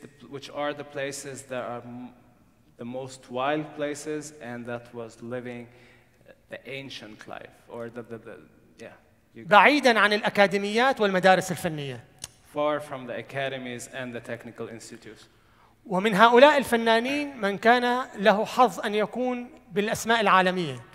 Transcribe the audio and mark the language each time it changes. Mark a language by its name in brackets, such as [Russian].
[English] Which are the places that are the most wild places and that was living the ancient life or the [Arabic] بعيدا عن الأكاديميات والمدارس الفنية. [English] Far from the academies and the technical institutes. [Arabic] ومن هؤلاء الفنانين من كان له حظ أن يكون بالأسماء العالمية.